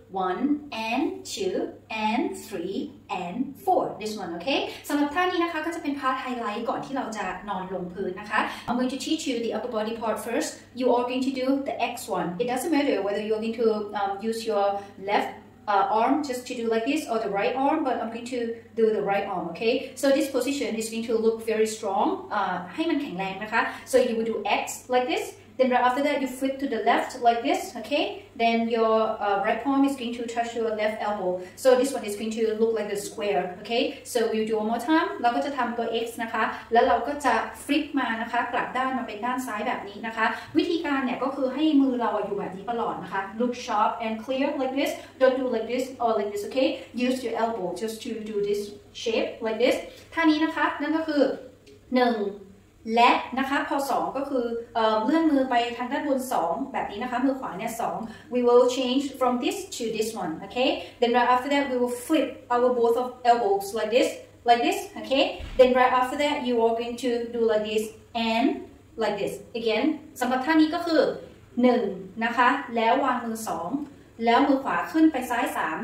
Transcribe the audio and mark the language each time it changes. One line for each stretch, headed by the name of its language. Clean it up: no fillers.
English: 1 and 2 and 3 and 4 this one okay
Thai: สำหรับท่านี้นะคะก็จะเป็นพาร์ทไฮไลท์ก่อนที่เราจะนอนลงพื้นนะคะ
English: I'm going to teach you the upper body part first you are going to do the x one it doesn't matter whether you're going to use your leftarm just to do like this or the right arm but I'm going to do the right arm okay so this position is going to look very strong
Thai: ให้มันแข็งแรงนะคะ
English: so you will do x like thisThen right after that, you flip to the left like this, okay? Then your right palm is going to touch your left elbow. So this one is going to look like a square, okay? So we'll do one more time.
Thai: เราก็จะทำตัว X นะคะแล้วเราก็จะฟลิปมานะคะกลับด้านมาเป็นด้านซ้ายแบบนี้นะคะวิธีการเนี่ยก็คือให้มือเราอยู่แบบนี้ตลอดนะคะ
English: Look sharp and clear like this. Don't do like this or like this, okay? Use your elbow just to do this shape like this.
Thai: ท่านี้นะคะนั่นก็คือ1และนะคะพอ2ก็คือ เลื่อนมือไปทางด้านบน2แบบนี้นะคะมือขวาเนี่ย2
English: we will change from this to this one okay then right after that we will flip our both of elbows like this okay then right after that you are going to do like this and like this again
Thai: สำหรับท่านี้ก็คือ1นะคะแล้ววางมือ2แล้วมือขวาขึ้นไปซ้าย3